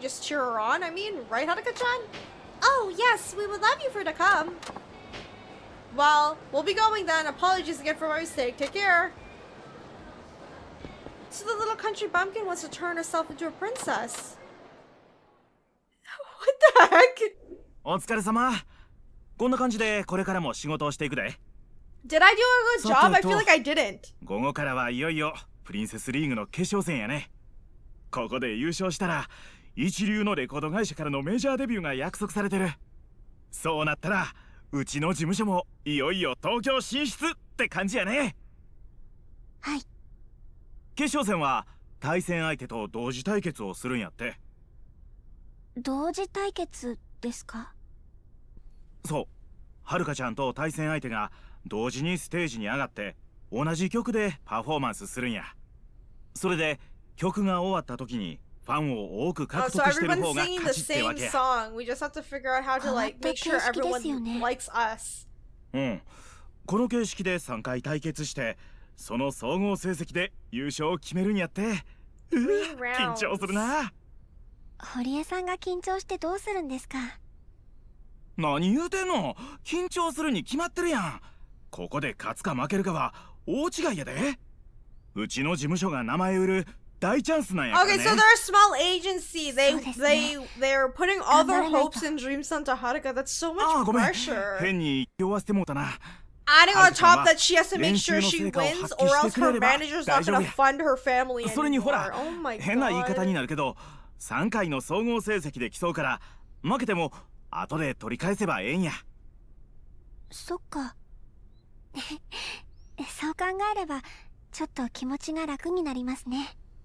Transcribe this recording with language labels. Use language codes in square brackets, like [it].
[en] Just cheer her on? I mean, right, Haruka-chan? Oh, yes. We would love you for to come. Well, we'll be going then. Apologies again for my mistake. Take care. So the little country bumpkin wants to turn herself into a princess. What the heck? [ja] お疲れ様。こんな感じでこれからも仕事をしていくで。 [en] Did I do a good job? I feel like I didn't. [ja] 午後からはいよいよプリンセスリーグの決勝戦やね。ここで優勝したら一流のレコード会社からのメジャーデビューが約束されてる。そうなったらうちの事務所もいよいよ東京進出って感じやね。はい。決勝戦は対戦相手と同時対決をするんやって。同時対決ですか？そう、はるかちゃんと対戦相手が同時にステージに上がって同じ曲でパフォーマンスするんや。それで曲が終わった時にファンを多く獲得してる方が勝ちってわけや。 [en] We just have to figure out how to like make sure everyone likes us. [ja] うん、この形式で3回対決してその総合成績で優勝を決めるんやって。緊張するな。堀江さんが緊張してどうするんですか？何言うてんの？緊張するに決まってるやん。ここで勝つか負けるかは大違いやで。うちの事務所が名前売る大チャンスなんやからね。 [en] Okay, so they're a small agency. They're putting all their hopes and dreams onto Haruka. That's so much pressure. [ja] ああ、ごめん。変に酔わせてもうたな。 [en] Adding on top that she has to make sure she wins or else her manager's not gonna fund her family anymore. [ja] それにほら、変な言い方になるけど、3回の総合成績で競うから、負けても後で取り返せばええんや。そっか。そう考えれば、ちょっと気持ちが楽になりますね。